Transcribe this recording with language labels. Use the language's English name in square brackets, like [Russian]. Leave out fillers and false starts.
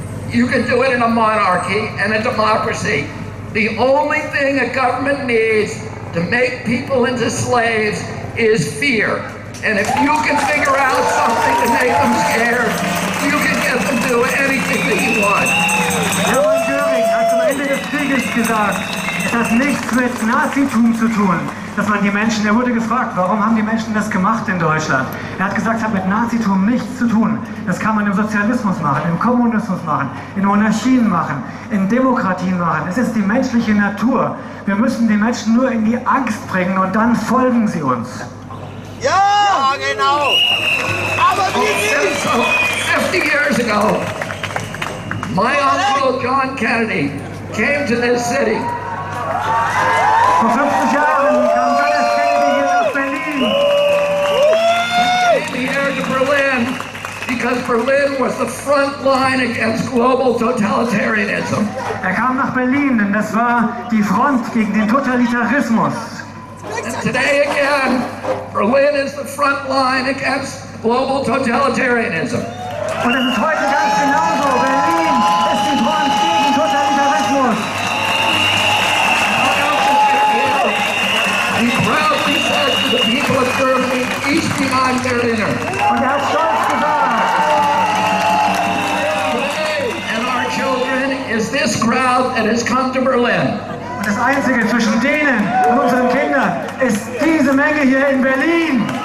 [English] You can do it in a monarchy and a democracy. The only thing a government needs to make people into slaves is fear. And if you can figure out something to make them scared, you can get them to do anything that you want. [German] Hermann Göring hat am Ende des Krieges gesagt, es hat nichts mit Nazitum zu tun, dass man die Menschen, er wurde gefragt, warum haben die Menschen das gemacht in Deutschland? Er hat gesagt, es hat mit Nazitum nichts zu tun. Das kann man im Sozialismus machen, im Kommunismus machen, in Monarchien machen, in Demokratien machen. Es ist die menschliche Natur. Wir müssen die Menschen nur in die Angst bringen und dann folgen sie uns. Ja, genau. Aber wie geht's? [English] 50 years ago, my uncle John Kennedy came to this city. [German] Vor 50 Jahren kam John F. Kennedy hier nach Berlin. [English] He came here to Berlin because Berlin was the front line against global totalitarianism. [German] Er kam nach Berlin, denn das war die Front gegen den Totalitarismus. [English] And today again, Berlin is the front line against global totalitarianism. [German] Und es ist heute ganz genauso. Berlin ist die Front gegen Totalitarismus. [English] He proudly said to the people of Germany, [German] "Ich bin ein Berliner." Und er hat stolz gesagt. [English] And our children is this crowd that has come to Berlin. [German] Das Einzige zwischen denen und unseren Kindern ist diese Menge hier in Berlin.